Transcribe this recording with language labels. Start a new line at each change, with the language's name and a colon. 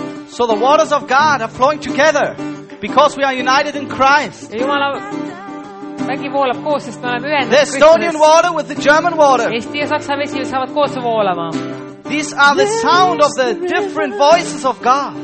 English: So the waters of God are flowing together because we are united in Christ.
Estonian: Ja Jumala vägi voolab koos, sest me oleme ühendatud.
English: The Estonian water with the German water.
Estonian: Eesti ja Saksa vesi saavad koos voolama.
English: These are the sound of the different voices of God.